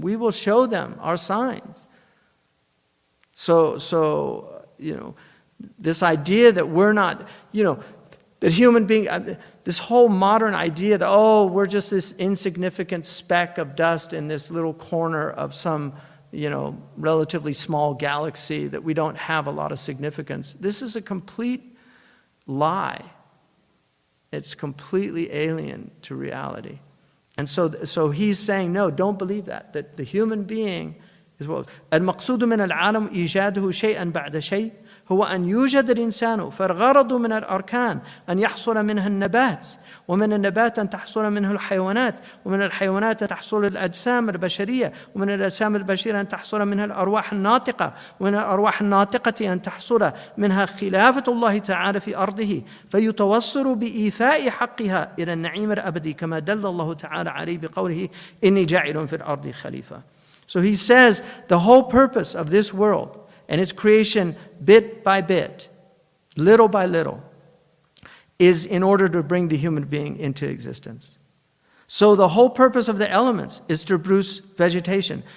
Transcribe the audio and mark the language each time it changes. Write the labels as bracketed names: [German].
[English] We will show them our signs. So you know, this idea that we're not, you know, that human being, this whole modern idea that, oh, we're just this insignificant speck of dust in this little corner of some, you know, relatively small galaxy, that we don't have a lot of significance. This is a complete lie. It's completely alien to reality. And so he's saying, no, don't believe that. That the human being is what. [Arabic] المقصود من العالم إيجاده شيئا بعد شيء هو أن يوجد الإنسان فالغرض من الأركان أن يحصل منها النبات ومن النبات أن تحصل منه الحيوانات ومن الحيوانات أن تحصل الأجسام البشرية ومن الأجسام البشرية أن تحصل منها الأرواح الناطقة ومن الأرواح الناطقة أن تحصل منها خلافة الله تعالى في أرضه فيتوصل بإيفاء حقها إلى النعيم الأبدي كما دل الله تعالى عليه بقوله إني جاعل في الأرض خليفة. [English] So he says the whole purpose of this world and its creation bit by bit, little by little, is in order to bring the human being into existence. So the whole purpose of the elements is to produce vegetation.